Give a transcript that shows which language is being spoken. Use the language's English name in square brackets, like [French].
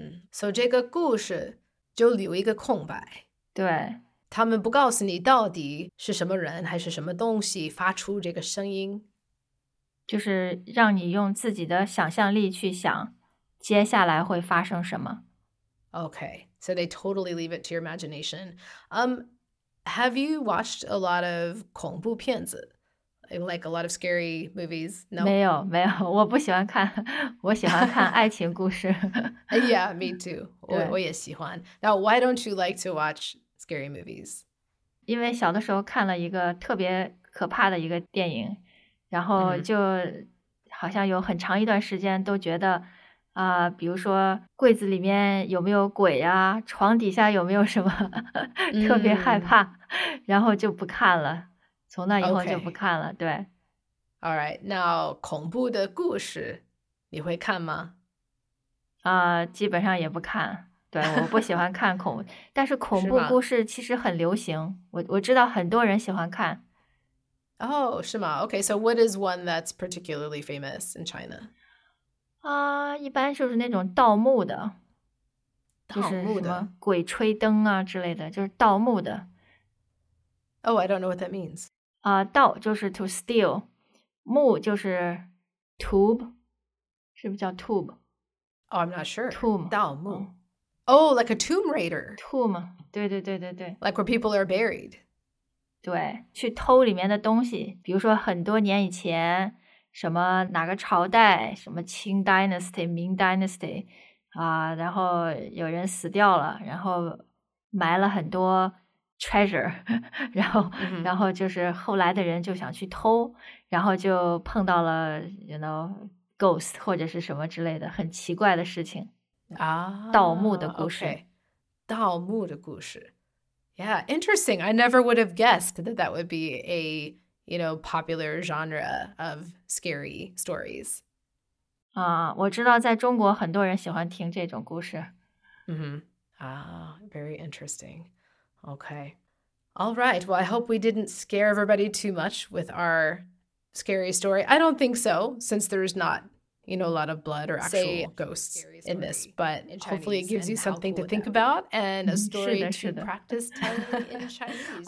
[English] So [Chinese] 这个故事就留一个空白。对。他们不告诉你到底是什么人还是什么东西发出这个声音。就是让你用自己的想象力去想接下来会发生什么。 [English] Okay, so they totally leave it to your imagination. Have you watched a lot of [Chinese] 恐怖片子? [English] Like a lot of scary movies? No. [Chinese] 没有，没有，我不喜欢看，我喜欢看爱情故事。 [English] Yeah, me too. [Chinese] 我也喜欢。 [English] Now, why don't you like to watch scary movies? [Chinese] 因为小的时候看了一个特别可怕的一个电影，然后就好像有很长一段时间都觉得啊、比如说柜子里面有没有鬼啊，床底下有没有什么特别害怕、然后就不看了，从那以后就不看了、 [English] okay. [Chinese] 对。 [English] All right, now [Chinese] 恐怖的故事你会看吗？啊、基本上也不看，对，我不喜欢看恐怖但是恐怖故事其实很流行，我知道很多人喜欢看。 [English] Oh, [Chinese] 是吗? [English] Okay, so what is one that's particularly famous in China? [Chinese] 一般就是那种盗墓的。盗墓的。就是什么鬼吹灯啊之类的，就是盗墓的。 [English] Oh, I don't know what that means. [Chinese] 盗就是 [English] to steal. [Chinese] 墓就是 [English] tube. [Chinese] 是不是叫 tube? [English] Oh, I'm not sure. Tomb. [Chinese] 盗墓。 [English] Oh, like a tomb raider. Tomb, [Chinese] 对对对对对。 [English] Like where people are buried. [Chinese] 对，去偷里面的东西，比如说很多年以前，什么哪个朝代，什么清 dynasty、明 dynasty 啊，然后有人死掉了，然后埋了很多 treasure， 然后就是后来的人就想去偷，然后就碰到了 [English] you know [Chinese] ghost 或者是什么之类的很奇怪的事情啊，盗墓的故事。 [English] Okay. [Chinese] 盗墓的故事。 [English] Yeah, interesting. I never would have guessed that that would be a, you know, popular genre of scary stories. [Chinese] 啊，我知道在中国很多人喜欢听这种故事。 [English] Mm-hmm. Ah, very interesting. Okay. All right. Well, I hope we didn't scare everybody too much with our scary story. I don't think so, since there's not, you know, a lot of blood or actual ghosts in this. But hopefully it gives you something to think about and a story to practice telling in Chinese.